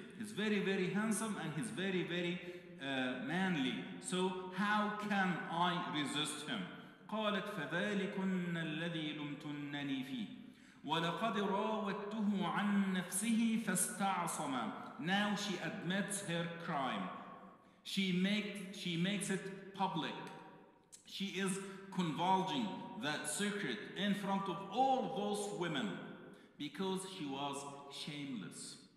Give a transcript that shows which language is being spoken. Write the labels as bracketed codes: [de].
[en] He's very, very handsome and he's very, very manly. So how can I resist him? [ar] قالت فذلكن الذي لمتنني فيه. وَلَقَدْ رَاوَدْتُهُ عَنْ نَفْسِهِ فَاسْتَعْصَمَ. [en] Now she admits her crime. She makes it public. She is convulging that secret in front of all those women because she was shameless.